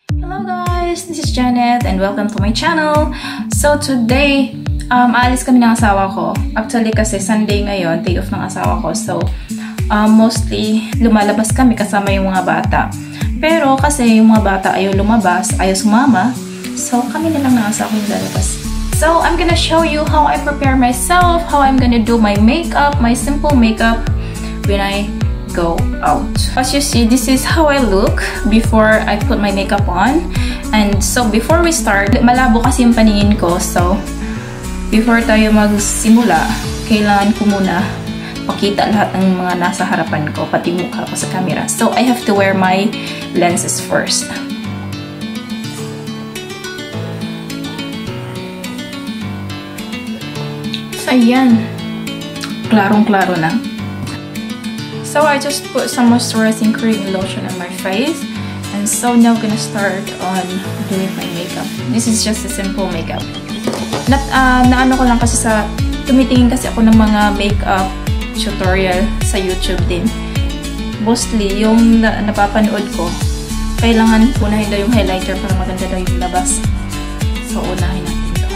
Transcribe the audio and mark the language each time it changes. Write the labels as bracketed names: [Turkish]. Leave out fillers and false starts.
[English] guys, this is Janet and welcome to my channel. [Filipino] So today, alis kami ng asawa ko. Actually kasi Sunday ngayon, day off ng asawa ko. So mostly lumalabas kami kasama yung mga bata. Pero kasi yung mga bata ayaw lumabas, ayaw sumama. So kami na lang ng asawa ko yung lalabas. [English] So I'm gonna show you how I prepare myself, how I'm gonna do my makeup, my simple makeup when I go out. As you see, this is how I look before I put my makeup on. And so before we start, [Filipino] malabo kasi yung paningin ko. So before tayo magsimula, kailangan ko muna pakita lahat ng mga nasa harapan ko, pati mukha ko sa camera. [English] So I have to wear my lenses first. [Filipino] So ayan, klarong-klaro na. [English] So I just put some moisturizing cream and lotion on my face, and so now I'm gonna start on doing my makeup. This is just a simple makeup. [Filipino] Naano ko lang kasi sa tumitingin kasi ako ng mga makeup tutorial sa YouTube din. Mostly yung napapanood ko, kailangan unahin daw yung highlighter para maganda daw yung labas. So unahin natin ito.